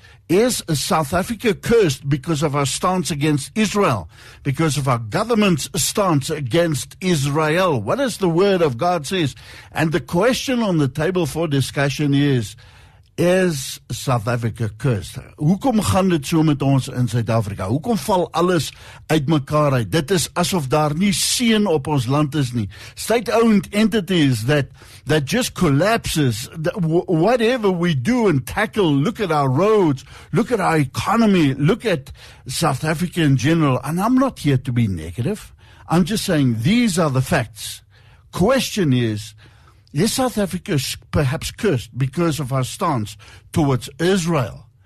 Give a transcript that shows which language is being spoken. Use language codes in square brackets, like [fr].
[en] Is South Africa cursed because of our stance against Israel? Because of our government's stance against Israel? What does the Word of God say? And the question on the table for discussion is South Africa cursed? [af] Hoekom gaan dit so met ons in Suid-Afrika? Hoekom val alles uit mekaar uit? Dit is asof daar nie seën op ons land is nie. [en] State-owned entities that just collapses. Whatever we do and tackle, look at our roads, look at our economy, look at South Africa in general. And I'm not here to be negative. I'm just saying these are the facts. Question is, is South Africa perhaps cursed because of our stance towards Israel?